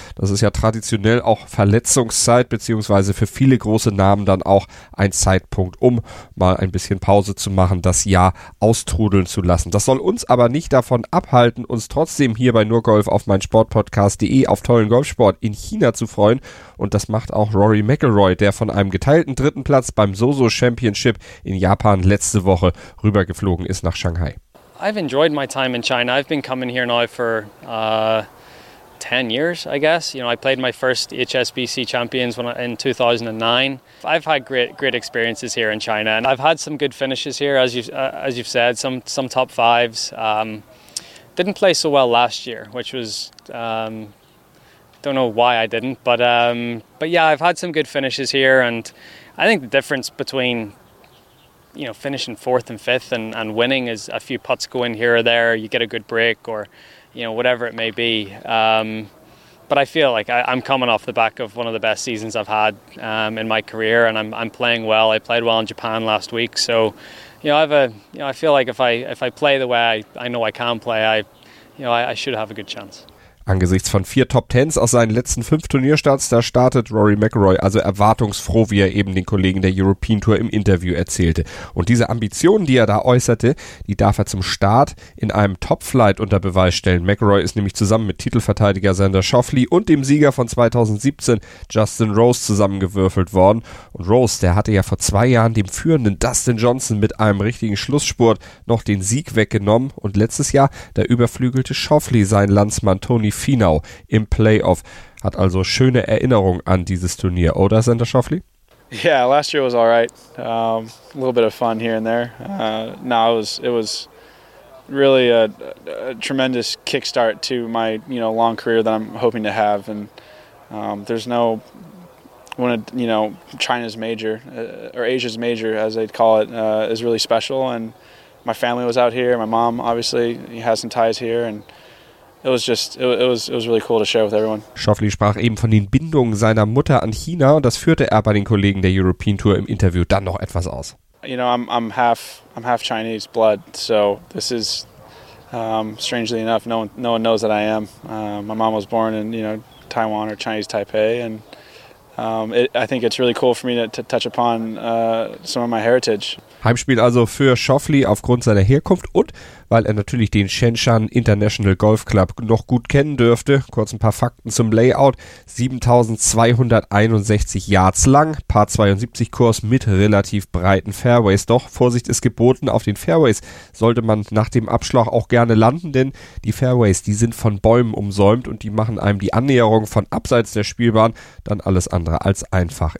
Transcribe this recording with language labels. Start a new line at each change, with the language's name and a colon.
German: Das ist ja traditionell auch Verletzungszeit, beziehungsweise für viele große Namen dann auch ein Zeitpunkt, um mal ein bisschen Pause zu machen, das Jahr austrudeln zu lassen. Das soll uns aber nicht davon abhalten, uns trotzdem hier bei nurgolf auf meinsportpodcast.de auf tollen Golfsport in China zu freuen. Und das macht auch Rory McIlroy, der von einem geteilten dritten Platz beim Soso Championship in Japan letzte Woche rübergeflogen ist nach Shanghai.
English: I've enjoyed my time in China. I've been coming here now for 10 years, I guess. You know, I played my first HSBC Champions in 2009. I've had great experiences here in China, and I've had some good finishes here, as you've said, some top fives. Didn't play so well last year, which was, don't know why I didn't, but yeah, I've had some good finishes here, and I think the difference between, you know, finishing fourth and fifth and winning is a few putts go in here or there, you get a good break or, you know, whatever it may be. But I feel like I'm coming off the back of one of the best seasons I've had in my career, and I'm playing well. I played well in Japan last week. So, you know, I feel like if I play the way I know I can play, I should have a good chance.
German: Angesichts von vier Top Tens aus seinen letzten fünf Turnierstarts, da startet Rory McIlroy also erwartungsfroh, wie er eben den Kollegen der European Tour im Interview erzählte. Und diese Ambition, die er da äußerte, die darf er zum Start in einem Top-Flight unter Beweis stellen. McIlroy ist nämlich zusammen mit Titelverteidiger Xander Schauffele und dem Sieger von 2017 Justin Rose zusammengewürfelt worden. Und Rose, der hatte ja vor zwei Jahren dem führenden Dustin Johnson mit einem richtigen Schlussspurt noch den Sieg weggenommen. Und letztes Jahr, da überflügelte Schauffele seinen Landsmann Tony Finau im Playoff. Hat also schöne Erinnerungen an dieses Turnier, oder, Xander Schauffele?
English: Yeah, last year was all right. A little bit of fun here and there. Now it was really a tremendous kickstart to my, you know, long career that I'm hoping to have. And there's no one, you know, China's major or Asia's major, as they'd call it, is really special. And my family was out here. My mom obviously has some ties here, and It was really cool to share with everyone.
German: Schauffele sprach eben von den Bindungen seiner Mutter an China, und das führte er bei den Kollegen der European Tour im Interview dann noch etwas aus.
English: You know, I'm half Chinese blood, so this is strangely enough, no one knows that I am. My mom was born in, you know, Taiwan or Chinese Taipei, and I think it's really cool for me to touch upon some of my heritage.
German: Heimspiel also für Schauffele aufgrund seiner Herkunft und weil er natürlich den Shenzhen International Golf Club noch gut kennen dürfte. Kurz ein paar Fakten zum Layout. 7261 Yards lang, Par 72 Kurs mit relativ breiten Fairways. Doch Vorsicht ist geboten, auf den Fairways sollte man nach dem Abschlag auch gerne landen, denn die Fairways, die sind von Bäumen umsäumt und die machen einem die Annäherung von abseits der Spielbahn dann alles andere als einfach.